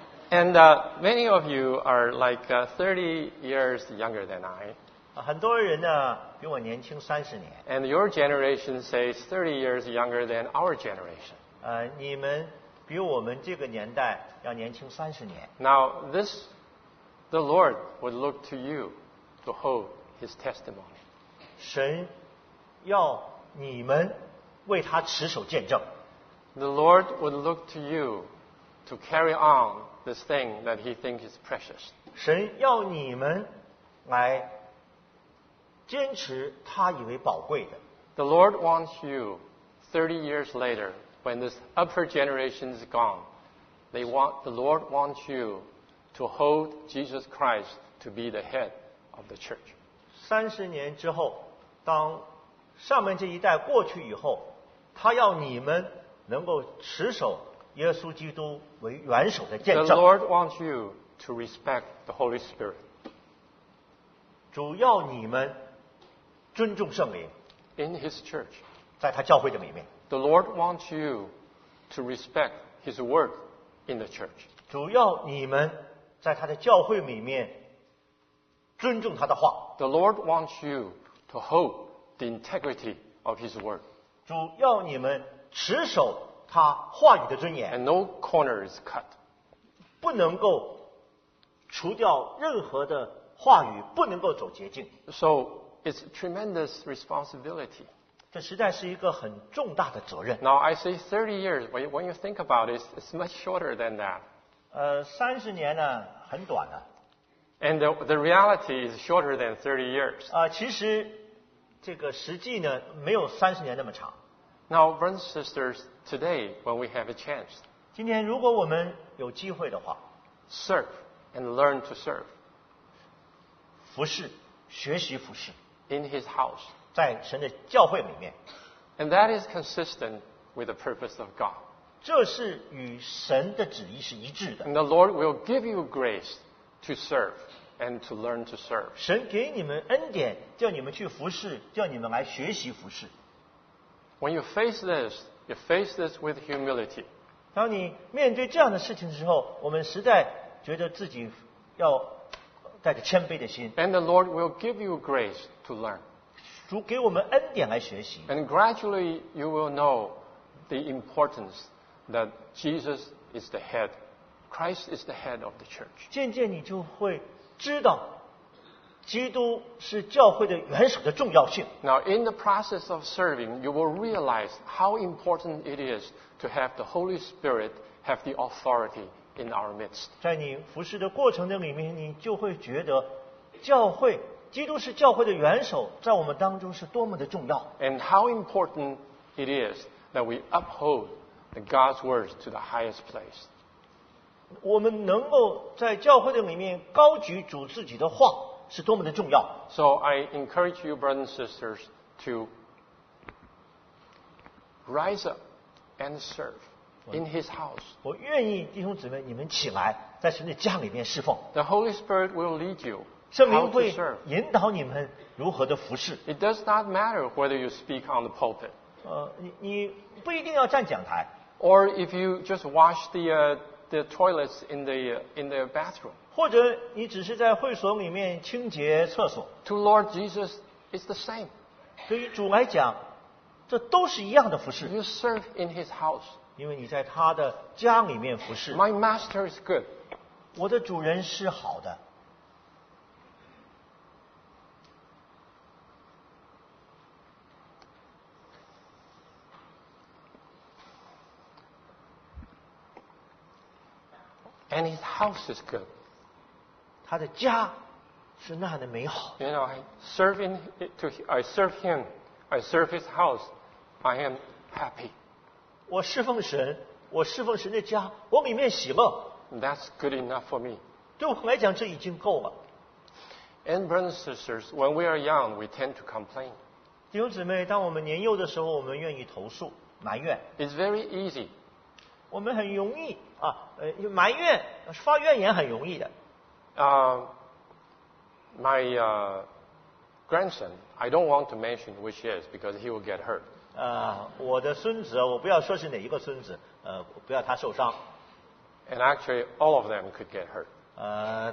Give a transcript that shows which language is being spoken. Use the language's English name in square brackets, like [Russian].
[English] And many of you are like 30 years younger than I. [Chinese] 很多人呢比我年轻三十年。 [English] And your generation says 30 years younger than our generation. [Chinese] 你们比我们这个年代要年轻三十年。 [English] Now this, the Lord would look to you to hold His testimony. [Chinese] 神要你们为他持守见证。 [English] The Lord would look to you to carry on this thing that He thinks is precious. [Chinese] 神要你们来坚持他以为宝贵的。 [English] The Lord wants you 30 years later, when this upper generation is gone, the Lord wants you to hold Jesus Christ to be the head of the church. [Chinese] 30年之后，当上面这一代过去以后，他要你们能够持守耶稣基督为元首的见证。 [English] The Lord wants you to respect the Holy Spirit. [Chinese] 主要你们尊重圣灵。 [English] In His church, [Chinese] 在他教会的里面。 [English] The Lord wants you to respect His work in the church. [Chinese] 主要你们在他的教会里面尊重他的话。 [English] The Lord wants you to hold the integrity of His word. [Chinese] 主要你们持守他话语的尊严。 [English] And no corner is cut. [Chinese] 不能够除掉任何的话语，不能够走捷径。 [English] So,It's a tremendous responsibility. [Chinese] 这实在是一个很重大的责任。 [English] Now I say 30 years, when you think about it, it's much shorter than that. [Chinese] 30年呢，很短的。 [English] And the reality is shorter than 30 years. [Chinese] 其实这个实际呢，没有30年那么长。 [English] Now, brothers and sisters, today, when we have a chance, [Chinese] 今天如果我们有机会的话， [English] serve and learn to serve. [Chinese] 服侍，学习服侍。 [English] In His house, [Chinese] 在神的教会里面， [English] and that is consistent with the purpose of God. [Chinese] 这是与神的旨意是一致的。 [English] And the Lord will give you grace to serve and to learn to serve. [Chinese] 神给你们恩典，叫你们去服侍，叫你们来学习服侍。 [English] When you face this, you face this with humility. [Chinese] 当你面对这样的事情的时候，我们实在觉得自己要带着谦卑的心。 [English] And the Lord will give you grace. To learn. [Chinese] 主给我们恩典来学习。 [English] And gradually you will know the importance that Jesus is the head. Christ is the head of the church. [Chinese] 渐渐你就会知道基督是教会的元首的重要性。 [English] Now in the process of serving, you will realize how important it is to have the Holy Spirit have the authority in our midst. [Chinese] 在你服侍的过程的里面，你就会觉得教会基督是教会的元首，在我们当中是多么的重要。 [English] And how important it is that we uphold the God's words to the highest place. [Chinese] 我们能够在教会的里面高举主自己的话，是多么的重要。 [English] So I encourage you, brothers and sisters, to rise up and serve in His house. [Chinese] 我愿意弟兄姊妹，你们起来，在神的家里面侍奉。 [English] The Holy Spirit will lead you. [Chinese] 圣灵会引导你们如何的服侍。 [English] It does not matter whether you speak on the pulpit. [Chinese] 你不一定要站讲台。 [English] Or if you just wash the toilets in the bathroom. [Chinese] 或者你只是在会所里面清洁厕所。 [English] To Lord Jesus, it's the same. [Chinese] 对于主来讲，这都是一样的服侍。 [English] You serve in His house. [Chinese] 因为你在他的家里面服侍。 [English] My master is good. [Chinese] 我的主人是好的。 [English] And His house is good. [Chinese] 他的家是那样的美好。 [English] You know, I serve His house, I am happy. [Chinese] 我侍奉神，我侍奉神的家，我里面喜乐。 [English] That's good enough for me. [Chinese] 对我来讲，这已经够了。 [English] And brothers and sisters, when we are young, we tend to complain. [Chinese] 弟兄姊妹，当我们年幼的时候，我们愿意投诉、埋怨。 [English] It's very easy. [Chinese] 我们很容易啊，埋怨发怨言很容易的。 [English] My grandson, I don't want to mention which he is because he will get hurt. [Chinese] 我的孙子，我不要说是哪一个孙子，不要他受伤。 [English] And actually, all of them could get hurt.